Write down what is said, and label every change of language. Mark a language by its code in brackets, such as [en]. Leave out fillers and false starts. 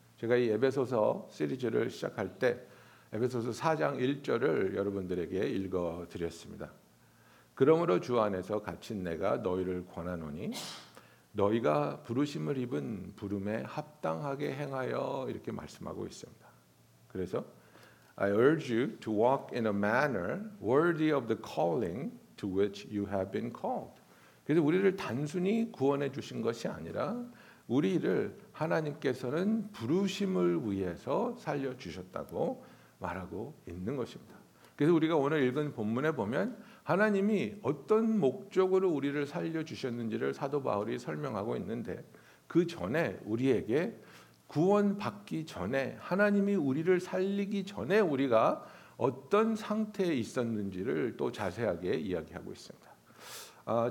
[ko] 제가 이 에베소서 시리즈를 시작할 때 에베소서 4장 1절을 여러분들에게 읽어드렸습니다. 그러므로 주 안에서 갇힌 내가 너희를 권하노니 너희가 부르심을 입은 부름에 합당하게 행하여 이렇게 말씀하고 있습니다. 그래서 [en] I urge you to walk in a manner worthy of the calling to which you have been called. [ko] 그래서 우리를 단순히 구원해 주신 것이 아니라 우리를 하나님께서는 부르심을 위해서 살려주셨다고 말하고 있는 것입니다. 그래서 우리가 오늘 읽은 본문에 보면 하나님이 어떤 목적으로 우리를 살려주셨는지를 사도 바울이 설명하고 있는데 그 전에 우리에게 구원받기 전에 하나님이 우리를 살리기 전에 우리가 어떤 상태에 있었는지를 또 자세하게 이야기하고 있습니다.